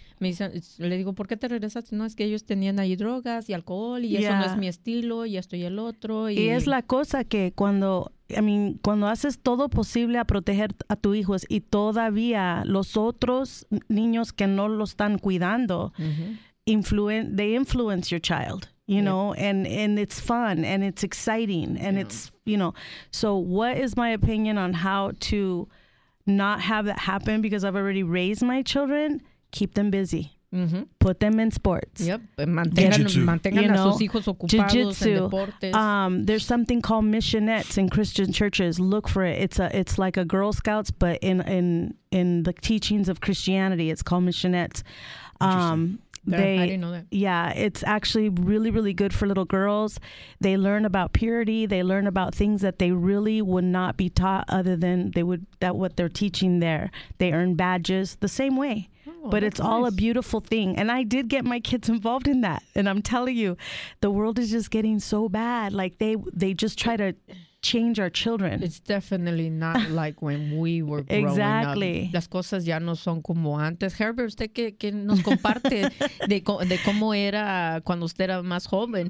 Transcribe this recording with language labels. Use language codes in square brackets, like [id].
[es] Me dice, le digo, ¿por qué te regresaste? No, es que ellos tenían ahí drogas y alcohol y yeah. eso no es mi estilo y esto y el otro. Y es la cosa que cuando haces todo posible a proteger a tu hijo y todavía los otros niños que no lo están cuidando, uh-huh. [en] they influence your child. You know, and it's fun and it's exciting and yeah. it's, you know, so what is my opinion on how to not have that happen? Because I've already raised my children. Keep them busy. Mm-hmm. Put them in sports. [es] Yep. Mantengan a sus hijos ocupados [en] Jiu-jitsu. [es] En deportes. [en] There's something called missionettes in Christian churches. Look for it. It's like a Girl Scouts, but in the teachings of Christianity, it's called missionettes. I didn't know that. Yeah, it's actually really, really good for little girls. They learn about purity. They learn about things that they really would not be taught other than what they're teaching there. They earn badges the same way. Oh, but it's nice. All a beautiful thing. And I did get my kids involved in that. And I'm telling you, the world is just getting so bad. Like they just try to change our children. It's definitely not like when we were growing exactly. up. [es] Las cosas ya no son como antes. Herbert, usted que nos comparte de cómo era cuando usted era más joven.